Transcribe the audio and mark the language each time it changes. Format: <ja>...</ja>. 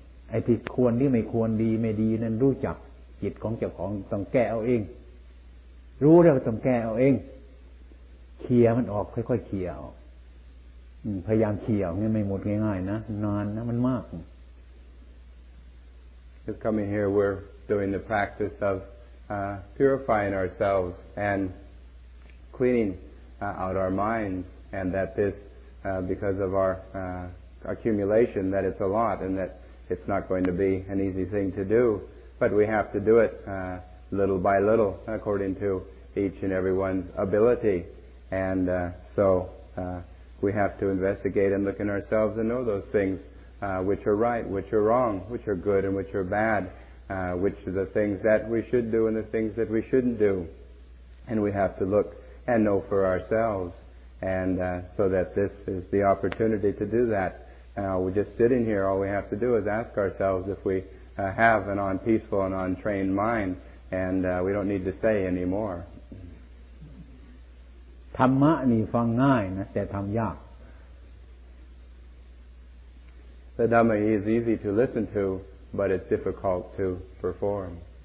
<th>ไอ้ที่ควรที่ไม่ควรดีไม่ดีนั้นรู้จักจิตของเจ้าของต้องแก้เอาเองรู้แล้วต้องแก้เอาเองเคลียร์มันออกค่อยๆเคลียร์ออกพยายามเคลียร์งี้ไม่หมดง่ายๆนะนานนะมันมาก</th> <en>Just coming here, we're doing the practice of purifying ourselves and cleaning out our minds, and that this, because of our accumulation, that it's a lot and that it's not going to be an easy thing to do. But we have to do it little by little, according to each and everyone's ability. And so we have to investigate and look in ourselves and know those things. Which are right, which are wrong, which are good and which are bad, which are the things that we should do and the things that we shouldn't do. And we have to look and know for ourselves. And so that this is the opportunity to do that. We're just sitting here, all we have to do is ask ourselves if we have an unpeaceful and untrained mind, and we don't need to say any more.</en> <th>ธรรมะนี่ฟังง่ายนะแต่ทำยาก</th> <en>The Dhamma is easy to listen to, but it's difficult to perform.</en>